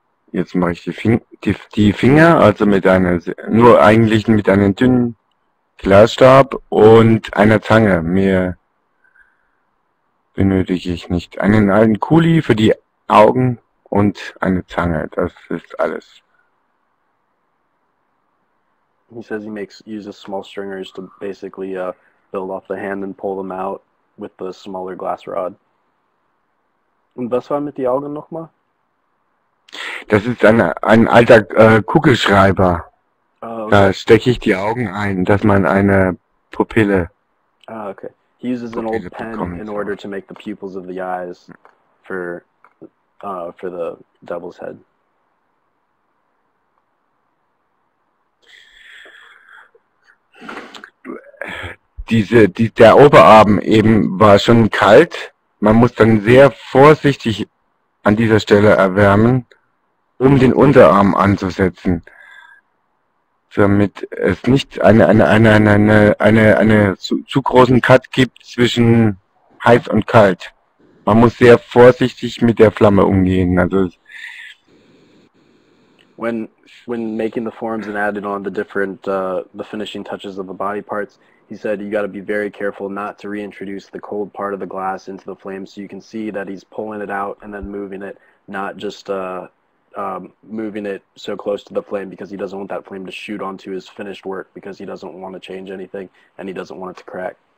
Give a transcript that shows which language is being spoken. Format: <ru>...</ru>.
<de>Jetzt mache ich die Finger, also mit einem dünnen Glasstab und einer Zange. Mehr benötige ich nicht. Einen alten Kuli für die Augen und eine Zange. Das ist alles.</de> <en>He says he uses small stringers to basically build off the hand and pull them out. With the smaller glass rod.</en> <de>Und was war mit den Augen nochmal? Das ist ein alter Kugelschreiber. Oh, okay. Da stecke ich die Augen ein, dass man eine Pupille. Ah, okay.</de> <en>He uses an old pen in order to make the pupils of the eyes for the devil's head.</en> <de>Der Oberarm eben war schon kalt. Man muss dann sehr vorsichtig an dieser Stelle erwärmen, um den Unterarm anzusetzen, damit es nicht eine zu großen Cut gibt zwischen heiß und kalt. Man muss sehr vorsichtig mit der Flamme umgehen. Also</de> <en>when making the forms and added on the different the finishing touches of the body parts. He said you got to be very careful not to reintroduce the cold part of the glass into the flame, so you can see that he's pulling it out and then moving it, not just moving it so close to the flame, because he doesn't want that flame to shoot onto his finished work, because he doesn't want to change anything and he doesn't want it to crack.</en>